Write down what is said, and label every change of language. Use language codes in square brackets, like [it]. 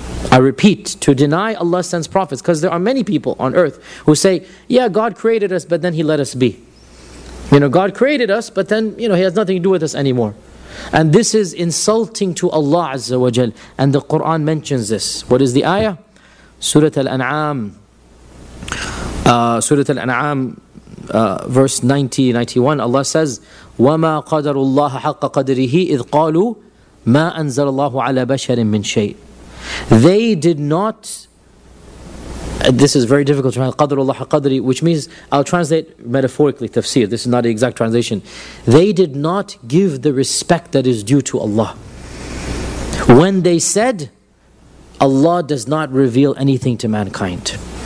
[en] I repeat, to deny Allah sends prophets, because there are many people on earth who say, yeah, God created us, but then He let us be. You know, God created us, but then, you know, He has nothing to do with us anymore. And this is insulting to Allah Azza wa Jal. And the Quran mentions this. What is the ayah? Surah Al-An'am. Surah Al-An'am, verse 90-91, Allah says, [ar] وَمَا قَدَرُ اللَّهَ حَقَّ قَدْرِهِ إِذْ قَالُوا مَا أَنزَلَ اللَّهُ عَلَى بَشَرٍ مِّنْ شَيْءٍ. [en] They did not, this is very difficult to translate, [ar] قَدْرُ اللَّهَ قَدْرِ, [en] which means, I'll translate metaphorically, tafsir, this is not the exact translation. They did not give the respect that is due to Allah. When they said, Allah does not reveal anything to mankind.